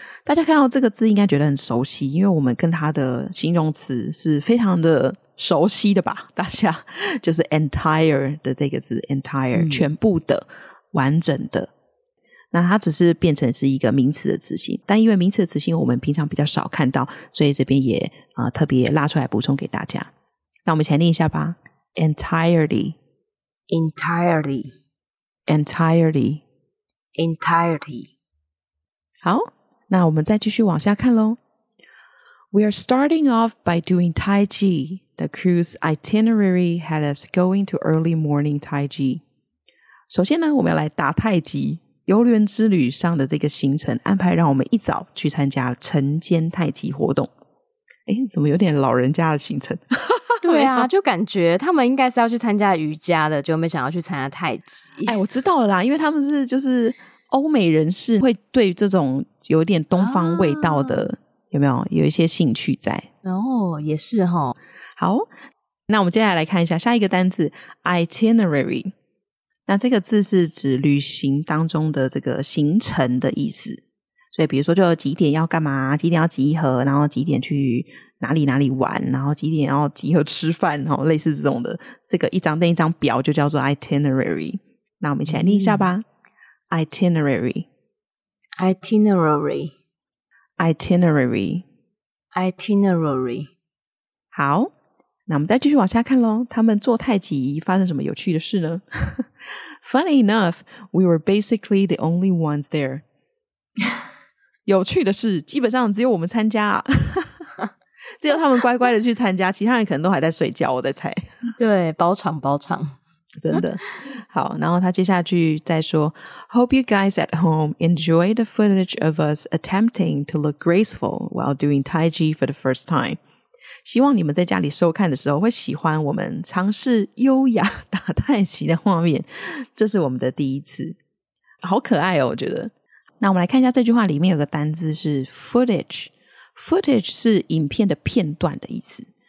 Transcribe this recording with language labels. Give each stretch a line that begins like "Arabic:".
Chinese: 大家看到这个字应该觉得很熟悉，因为我们跟它的形容词是非常的熟悉的吧，大家就是 entire 的这个字 entire、嗯、全部的、完整的，那它只是变成是一个名词的词性，但因为名词的词性我们平常比较少看到，所以这边也特别拉出来补充给大家。那我们一起来念一下吧。
English: entirety entirety entirety entirety。
Chinese: 好，那我们再继续往下看咯。
English: We are starting off by doing Tai Chi. The cruise itinerary had us going to early morning Tai Chi.
Chinese: 首先呢，我们要来打太极。游轮之旅上的这个行程安排让我们一早去参加晨间太极活动。诶，怎么有点老人家的行程？对啊，就感觉他们应该是要去参加瑜伽的，就没想要去参加太极。诶，我知道了啦，因为他们是就是欧美人士，会对这种有点东方味道的、啊、有没有有一些兴趣在。哦，也是哦。好，那我们接下来看一下下一个单字 itinerary。那这个字是指旅行当中的这个行程的意思，所以比如说就几点要干嘛，几点要集合，然后几点去哪里哪里玩，然后几点要集合吃饭、哦、类似这种的，这个一张那一张表就叫做 itinerary。那我们一起来念一下吧、嗯、itinerary
English: itinerary itinerary itinerary。
Chinese: 好，那我们再继续往下看咯。他们做太极发生什么有趣的事呢？
English: Funny enough, we were basically the only ones there.
Chinese: 有趣的是，基本上只有我们参加、啊、只有他们乖乖的去参加，其他人可能都还在睡觉，我在猜。对，包场包场。真的。好，然后他接下去再说
English: Hope you guys at home enjoy the footage of us attempting to look graceful while doing Tai Chi for the first time.
Chinese: 希望你们在家里收看的时候会喜欢我们尝试优雅打太极的画面，这是我们的第一次，好可爱哦，我觉得。那我们来看一下这句话里面有个单字是 footage， footage 是影片的片段的意思。